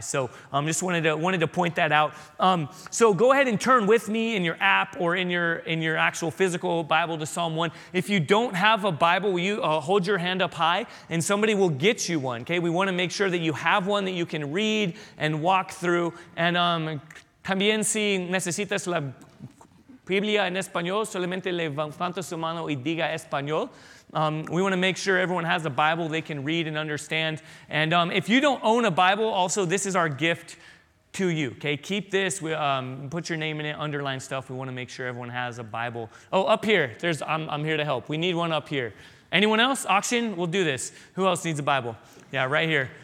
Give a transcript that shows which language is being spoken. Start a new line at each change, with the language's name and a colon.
English: So I just wanted to point that out. So go ahead and turn with me in your app or in your actual physical Bible to Psalm 1. If you don't have a Bible, will you hold your hand up high and somebody will get you one. Okay, we want to make sure that you have one that you can read and walk through.
Spanish: And también si necesitas la Biblia en español, solamente levanta su mano y diga español.
English: We want to make sure everyone has a Bible they can read and understand. And if you don't own a Bible, also, this is our gift to you. Okay, keep this. We put your name in it, underline stuff. We want to make sure everyone has a Bible. Oh, up here. I'm here to help. We need one up here. Anyone else? Auction? We'll do this. Who else needs a Bible? Yeah, right here.